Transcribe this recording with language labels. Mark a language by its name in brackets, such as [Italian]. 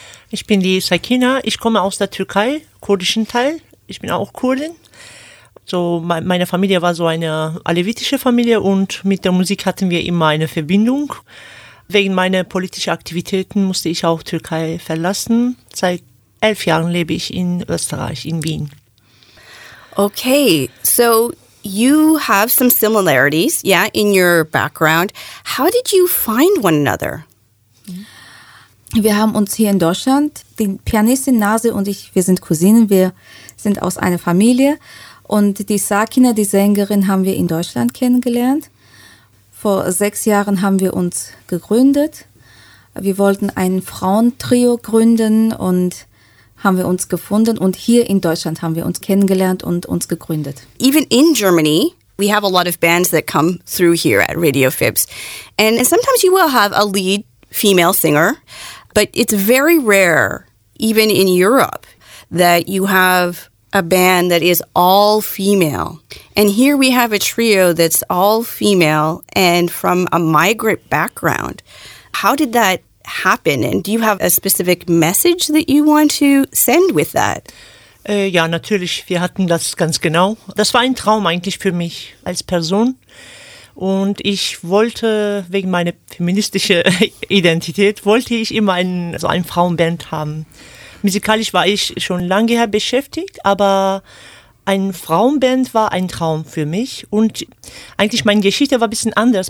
[German] Ich bin die Sakina, ich komme aus der Türkei, kurdischen Teil. Ich bin auch Kurdin. So, meine Familie war so eine alevitische Familie und mit der Musik hatten wir immer eine Verbindung. Wegen meiner politischen Aktivitäten musste ich auch Türkei verlassen. Seit 11 Jahren lebe ich in Österreich, in Wien. [English] Okay, so you have some similarities, yeah, in your background. How did you find one another? [German] Wir haben uns hier in Deutschland, die Pianistin Nase und ich, wir sind Cousinen, wir sind aus einer Familie. Und die Sakina, die Sängerin, haben wir in Deutschland kennengelernt. Vor 6 Jahren haben wir uns gegründet. Wir wollten ein Frauentrio gründen und haben wir uns gefunden und hier in Deutschland haben wir uns kennengelernt und uns gegründet. [English] Even in Germany, we have a lot of bands that come through here at Radio Fibs. And sometimes you will have a lead female singer, but it's very rare, even in Europe, that you have a band that is all female. And here we have a trio that's all female and from a migrant background. How did that happen, and do you have a specific message that you want to send with that? [German] Ja, natürlich, wir hatten das ganz genau. Das war ein Traum eigentlich für mich als Person. Und ich wollte, wegen meiner feministischen Identität, wollte ich immer ein Frauenband haben. Musikalisch war ich schon lange her beschäftigt, aber ein Frauenband war ein Traum für mich und eigentlich meine Geschichte war ein bisschen anders.